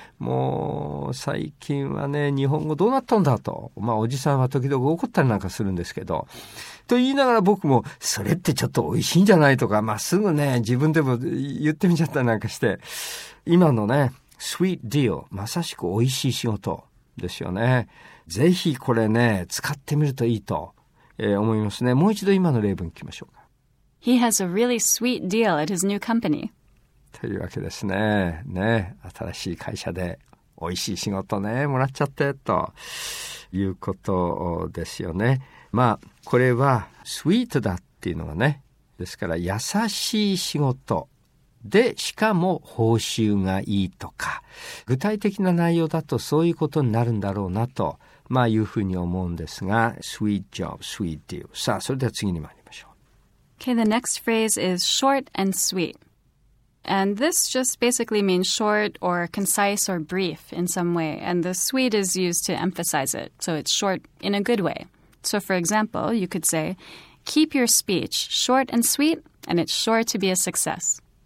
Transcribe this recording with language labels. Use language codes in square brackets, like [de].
[ja] もう最近はね、日本語どうなったんだと、まあおじさんは時々怒ったりなんかするんですけど、と言いながら僕もそれってちょっと美味しいんじゃないとか、まあすぐね自分でも言ってみちゃったりなんかして、今のね sweet deal、 まさしく美味しい仕事ですよね。ぜひこれね使ってみるといいと、思いますね。もう一度今の例文聞きましょうか。 [en] He has a really sweet deal at his new company [ja] というわけですね。ね、新しい会社で美味しい仕事ね、もらっちゃってということですよね。まあこれはスイートだっていうのがね、ですから優しい仕事で、しかも報酬がいいとか、具体的な内容だとそういうことになるんだろうなと、まあいうふうに思うんですが、sweet job, sweet deal。さあ、それでは次に参りましょう。 [en] Okay, the next phrase is short and sweet. And this just basically means short or concise or brief in some way. And the sweet is used to emphasize it. So it's short in a good way. So for example, you could say, keep your speech short and sweet, and it's sure to be a success.